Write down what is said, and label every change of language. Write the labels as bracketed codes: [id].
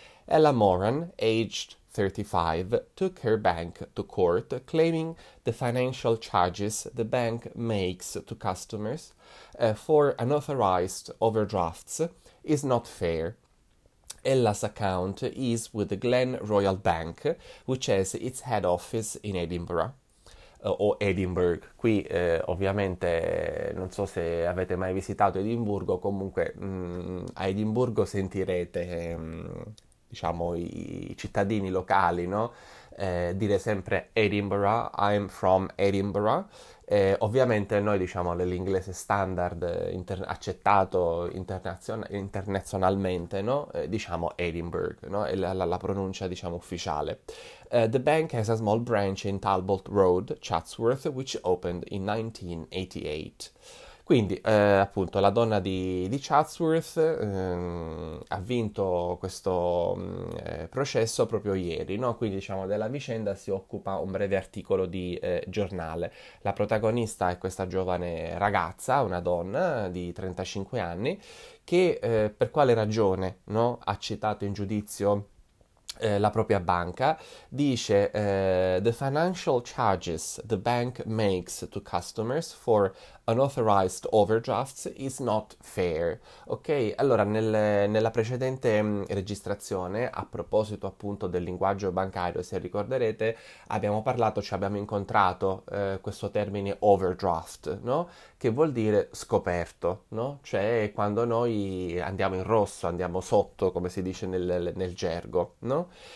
[en] Ella Moran, aged 35, took her bank to court, claiming the financial charges the bank makes to customers for unauthorized overdrafts is not fair. Ella's account is with the Glen Royal Bank, which has its head office in Edinburgh. O Edinburgh. [it] Qui ovviamente non so se avete mai visitato Edimburgo, comunque a Edimburgo sentirete diciamo i cittadini locali, no? Dire sempre Edinburgh, [en] I'm from Edinburgh. [it] Ovviamente noi diciamo nell'inglese standard accettato internazionalmente, no? Diciamo Edinburgh, no? È la pronuncia diciamo ufficiale. [en] The bank has a small branch in Talbot Road, Chatsworth, which opened in 1988. [it] Quindi, appunto, la donna di Chatsworth ha vinto questo processo proprio ieri, no? Quindi, diciamo, della vicenda si occupa un breve articolo di giornale. La protagonista è questa giovane ragazza, una donna di 35 anni, che per quale ragione, no, ha citato in giudizio la propria banca. [en] Dice: The financial charges the bank makes to customers for unauthorized overdrafts is not fair. [it] Ok, allora nella precedente registrazione, a proposito appunto del linguaggio bancario, se ricorderete, abbiamo parlato, ci cioè abbiamo incontrato questo termine overdraft, no? che vuol dire scoperto, no? Cioè quando noi andiamo in rosso, andiamo sotto, come si dice nel gergo, no?